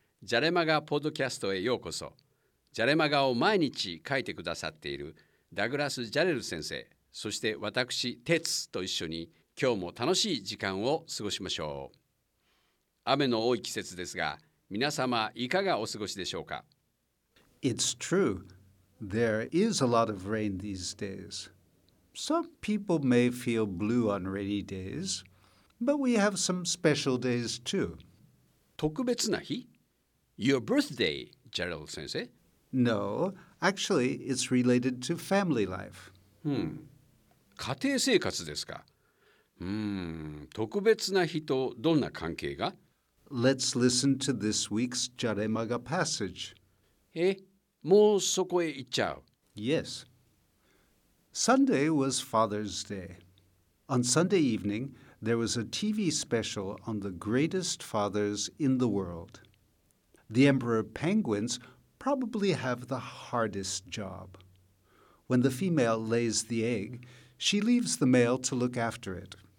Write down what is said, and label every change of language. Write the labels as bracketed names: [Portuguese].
[Japanese] ジャレマガポッドキャストへようこそ。ジャレマガを毎日書いてくださっているダグラス・ジャレル先生、そして私、テツと一緒に今日も楽しい時間を過ごしましょう。雨の多い季節ですが、皆様いかがお過ごしでしょうか。 [English] It's true. There is a lot of rain these days. Some people may feel blue on rainy days, but we have some special days too. [Japanese] 特別な日? [English] Your birthday, Jarrell [Japanese] 先生? [English] No, actually, it's related to family life. [Japanese] 家庭生活ですか? 特別な日とどんな関係が? [English] Let's listen to this week's Jaremaga passage. [Japanese] もうそこへ行っちゃう? [English] Yes. Sunday was Father's Day. On Sunday evening,There was a TV special on the greatest fathers in the world. The emperor penguins probably have the hardest job. When the female lays the egg, she leaves the male to look after it.